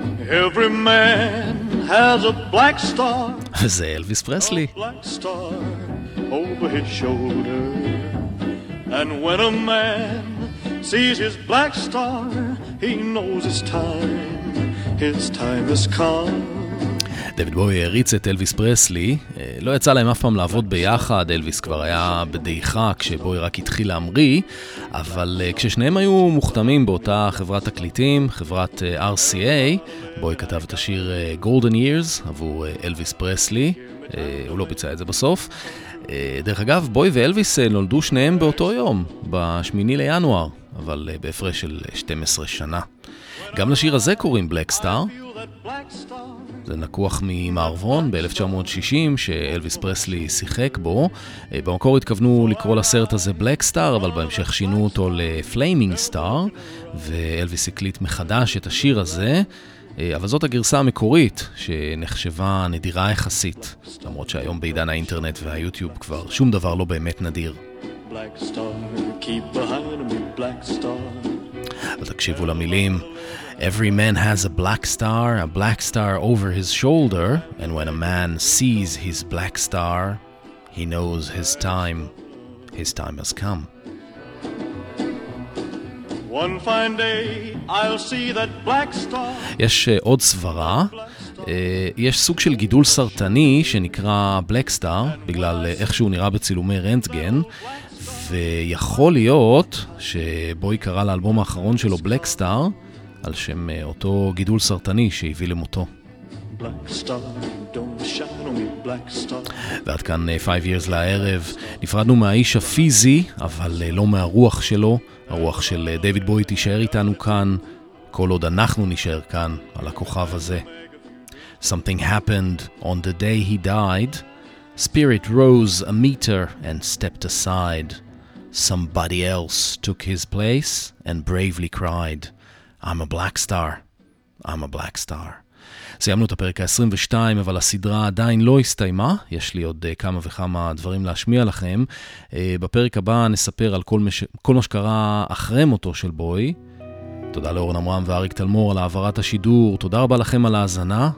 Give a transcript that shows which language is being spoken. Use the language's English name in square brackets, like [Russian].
[English] Every man has a black star. [Hebrew] זה אלביס פרסלי. [English] A black star over his shoulder. And when a man sees his black star, he knows his time. His time has come. [Hebrew] דייוויד בואי הריץ את אלוויס פרסלי, לא יצא להם אף פעם לעבוד ביחד, אלוויס כבר היה בדיחה כשבואי רק התחיל להמריא, אבל כששניהם היו מוכתמים באותה חברת תקליטים, חברת RCA, בואי כתב את השיר Golden Years עבור אלוויס פרסלי, הוא לא ביצע את זה בסוף. דרך אגב, בואי ואלוויס נולדו שניהם באותו יום, בשמיני לינואר, אבל בהפרש של 12 שנה. גם לשיר הזה קוראים Black Star. זה נקוח ממערבון ב-1960 שאלוויס פרסלי שיחק בו. במקור התכוונו לקרוא לסרט הזה Black Star, אבל בהמשך שינו אותו ל-Flaming Star, ואלוויס הקליט מחדש את השיר הזה, אבל זאת הגרסה המקורית שנחשבה נדירה יחסית, למרות שהיום בעידן האינטרנט והיוטיוב כבר שום דבר לא באמת נדיר. [English] Black Star, keep behind me, Black Star. אז תקשיבו למילים. Every man has a black star over his shoulder, and when a man sees his black star, he knows his time has come. One fine day, I'll see that black star. [Hebrew] יש עוד סברה. יש סוג של גידול סרטני שנקרא black star, בגלל איך שהוא נראה בצילומי רנטגן. ויכול להיות שבוי קרא לאלבום האחרון שלו Black Star על שם אותו גידול סרטני שהביא למותו. ועד כאן 5 years לערב. נפרדנו מהאיש הפיזי אבל לא מהרוח שלו. הרוח של דייוויד בואי תישאר איתנו כאן כל עוד אנחנו נישאר כאן על הכוכב הזה. [English] Something happened on the day he died. Spirit rose a meter and stepped aside. Somebody else took his place and bravely cried, I'm a black star, I'm a black star. [Hebrew] סיימנו את הפרק ה-22, אבל הסדרה עדיין לא הסתיימה. יש לי עוד כמה וכמה דברים להשמיע לכם. בפרק הבא נספר על כל מה שקרה אחרי מותו של בואי. תודה לאורן עמרם ואריק תלמור על העברת השידור. תודה רבה לכם על ההזנה.